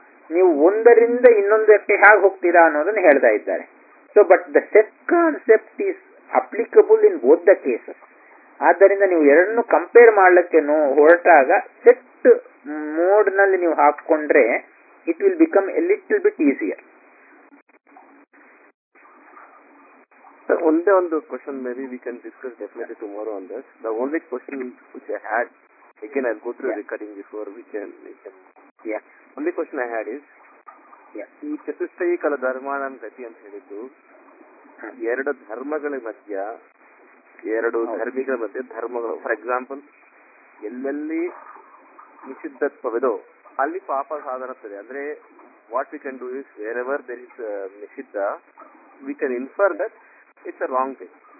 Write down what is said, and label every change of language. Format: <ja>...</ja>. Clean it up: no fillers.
<kn>ನೀವು ಒಂದರಿಂದ ಇನ್ನೊಂದಕ್ಕೆ ಹೇಗೆ ಹೋಗ್ತೀರಾ ಅನ್ನೋದನ್ನು ಹೇಳ್ತಾ ಇದ್ದಾರೆ</kn> <en>so but the set concept is applicable in both the cases</en> <kn>ಆದ್ದರಿಂದ ನೀವು ಎರಡನ್ನೂ ಕಂಪೇರ್ ಮಾಡಲಿಕ್ಕೆ ಹೊರಟಾಗ ಸೆಟ್ ಮೋಡ್ ನಲ್ಲಿ ನೀವು ಹಾಕೊಂಡ್ರೆ</kn> <en>It will become a little bit easier Sir, only on the question, maybe we can discuss definitely tomorrow on that. The only question which I had, again, I'll go through the recording before we can. Yeah. Only question I had is,</en> <kn>ಈ ಚತುಷ್ಟಯ ಕಲ ಧರ್ಮ ನನ್ನ ಗತಿ ಅಂತ ಹೇಳಿದ್ದು ಎರಡು ಧರ್ಮಗಳ ಮಧ್ಯ ಎರಡು ಧರ್ಮಿಗಳ ಮಧ್ಯೆ ಧರ್ಮಗಳು ಫಾರ್ ಎಕ್ಸಾಂಪಲ್ ಎಲ್ಲೆಲ್ಲಿ ನಿಷಿದ್ಧತ್ವವಿದೋ ಅಲ್ಲಿ ಪಾಪ ಸಾಧನತ್ತದೆ ಅಂದ್ರೆ</kn> <en>what we can do is wherever there is ನಿಷಿದ್ಧ we can infer that it's a wrong thing</en>